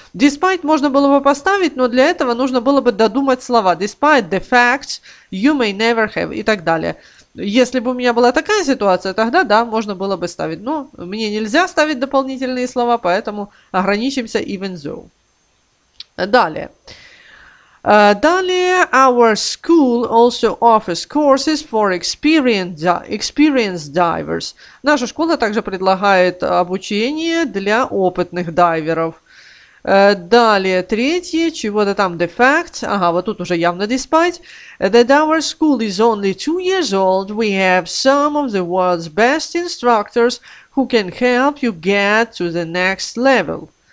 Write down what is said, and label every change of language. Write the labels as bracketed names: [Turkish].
[Russian] Despite можно было бы поставить, но для этого нужно было бы додумать слова. [English] Despite the fact you may never have [Russian] и так далее. Если бы у меня была такая ситуация, тогда да, можно было бы ставить. Но мне нельзя ставить дополнительные слова, поэтому ограничимся [English] even though. [Russian] Далее. Далее, [English] our school also offers courses for experienced divers. [Russian] Наша школа также предлагает обучение для опытных дайверов. Далее, третье, чего-то там, [English] the fact, [Russian] ага, вот тут уже явно [English] despite, that our school is only 2 years old, we have some of the world's best instructors who can help you get to the next level.